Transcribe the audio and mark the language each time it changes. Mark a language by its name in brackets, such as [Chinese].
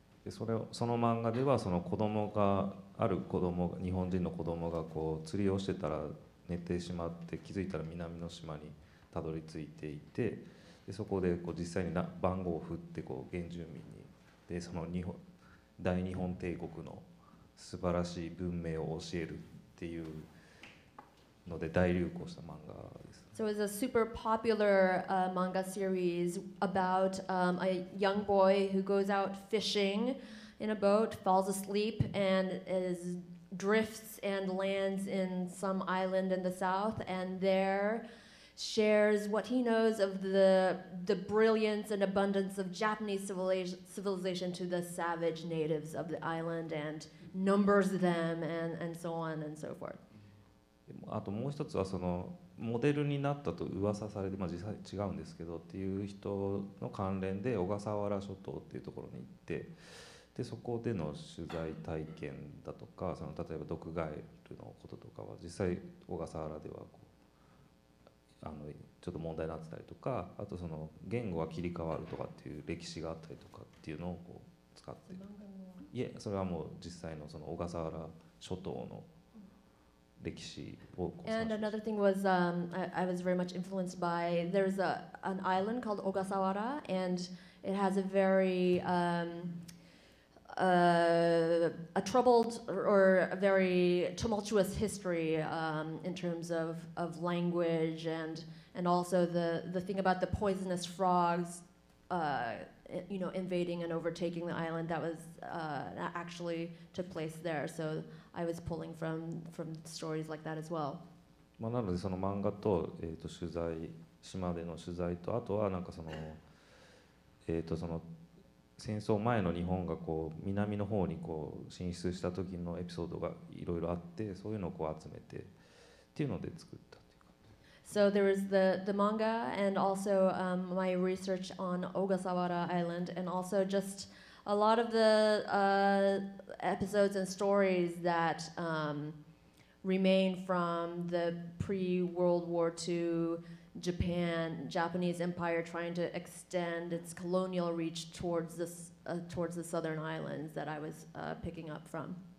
[Japanese] その漫画ではその子供がある子供日本人の子供がこう釣りをしてたら寝てしまって気づいたら南の島にたどり着いていてでそこでこう実際に番号を振ってこう原住民にでその日本大日本帝国の素晴らしい文明を教えるっていうので大流行した漫画です。 [English] So it's a super popular manga series about a young boy who goes out fishing in a boat, falls asleep, and drifts and lands in some island in the south, and there shares what he knows of the brilliance and abundance of Japanese civilization to the savage natives of the island, and numbers them, and so on and so forth. [Japanese] あともう一つはそのモデルになったと噂されて、まあ、実際違うんですけどっていう人の関連で小笠原諸島っていうところに行ってでそこでの取材体験だとかその例えば毒ガエルのこととかは実際小笠原ではこうちょっと問題になってたりとかあとその言語が切り替わるとかっていう歴史があったりとかっていうのをこう使っているいえそれはもう実際 の, その小笠原諸島の [English] And another thing was I was very much influenced by there's an island called Ogasawara and it has a very a troubled or a very tumultuous history in terms of language and also the thing about the poisonous frogs you know invading and overtaking the island that was that actually took place there soI was pulling from stories like that as well. [Japanese] まあなのでその漫画と取材島での取材とあとはなんかそのその戦争前の日本がこう南の方にこう進出した時のエピソードがいろいろあってそういうのをこう集めてっていうので作ったっていう感じ。 [English] So there was the manga and also my research on Ogasawara Island and also just a lot of the episodes and stories that remain from the pre-World War II Japanese Empire trying to extend its colonial reach towards the southern islands that I was picking up from.